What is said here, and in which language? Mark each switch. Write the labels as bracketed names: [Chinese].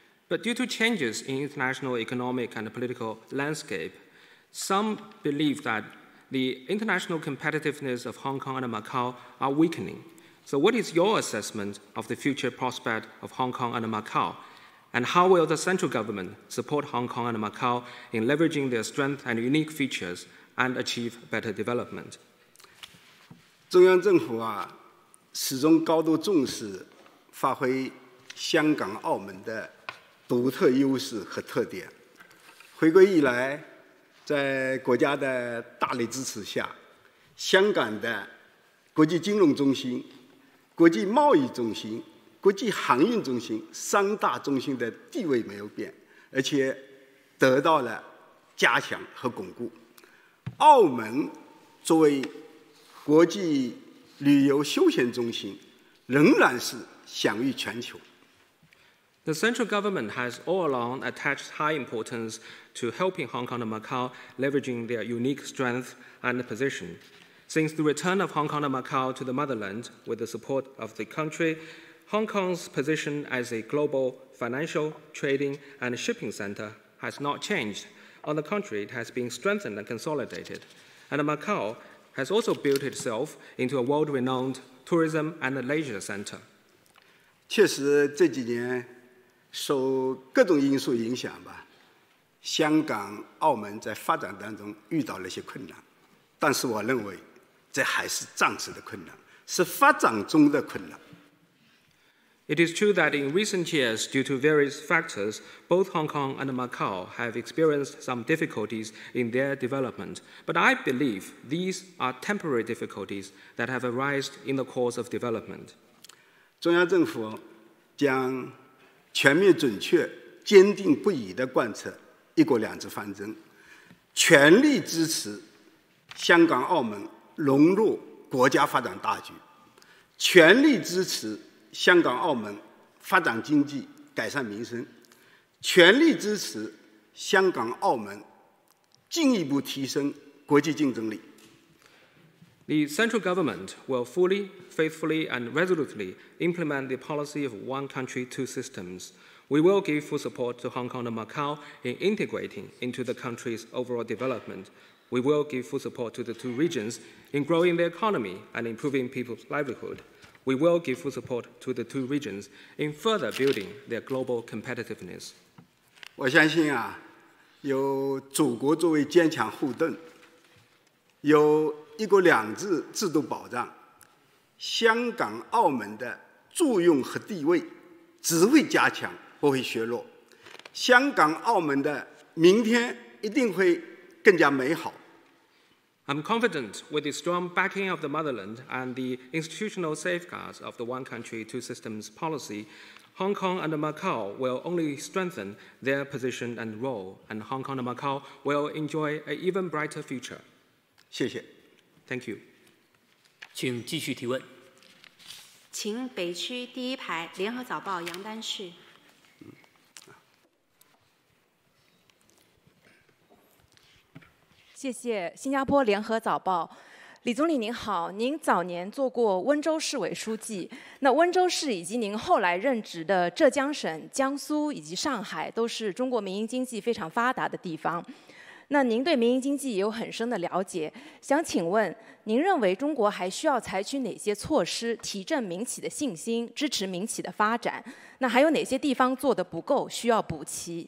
[English] But due to changes in international economic and political landscape, some believe that the international competitiveness of Hong Kong and Macau are weakening. So what is your assessment of the future prospect of Hong Kong and Macau? And how will the central government support Hong Kong and Macau in leveraging their strengths and unique features and achieve better development? [Chinese] 中央政府啊，始终高度重视发挥香港、澳门的独特优势和特点。回归以来，在国家的大力支持下，香港的国际金融中心、国际贸易中心、国际航运中心三大中心的地位没有变，而且得到了加强和巩固。澳门作为国际旅游休闲中心，仍然是享誉全球。 [English] The central government has all along attached high importance to helping Hong Kong and Macau leveraging their unique strengths and position. Since the return of Hong Kong and Macau to the motherland with the support of the country, Hong Kong's position as a global financial, trading and shipping center has not changed. On the contrary, it has been strengthened and consolidated. And Macau has also built itself into a world-renowned tourism and leisure center. [Chinese] 确实这几年受各种因素影响吧，香港、澳门在发展当中遇到了一些困难，但是我认为这还是暂时的困难，是发展中的困难。 [English] It is true that in recent years, due to various factors, both Hong Kong and Macau have experienced some difficulties in their development. But I believe these are temporary difficulties that have arisen in the course of development. [Chinese] 中央政府将全面准确、坚定不移地贯彻一国两制方针，全力支持香港、澳门融入国家发展大局，全力支持香港、澳门发展经济、改善民生，全力支持香港、澳门进一步提升国际竞争力。 [English] The central government will fully, faithfully, and resolutely implement the policy of one country, two systems. We will give full support to Hong Kong and Macau in integrating into the country's overall development. We will give full support to the two regions in growing their economy and improving people's livelihood. We will give full support to the two regions in further building their global competitiveness. [Chinese] 我相信啊，有祖国作为坚强后盾，有一国两制制度保障，香港、澳门的作用和地位只会加强，不会削弱。香港、澳门的明天一定会更加美好。 [English] I'm confident with the strong backing of the motherland and the institutional safeguards of the one country, two systems policy, Hong Kong and Macau will only strengthen their position and role, and Hong Kong and Macau will enjoy an even brighter future. [Chinese] 谢谢。 [English] Thank you. [Chinese] 请继续提问。请北区第一排联合早报杨丹士。谢谢新加坡联合早报。李总理您好，您早年做过温州市委书记，那温州市以及您后来任职的浙江省、江苏以及上海都是中国民营经济非常发达的地方，那您对民营经济也有很深的了解，想请问您认为中国还需要采取哪些措施提振民企的信心，支持民企的发展，那还有哪些地方做得不够需要补齐？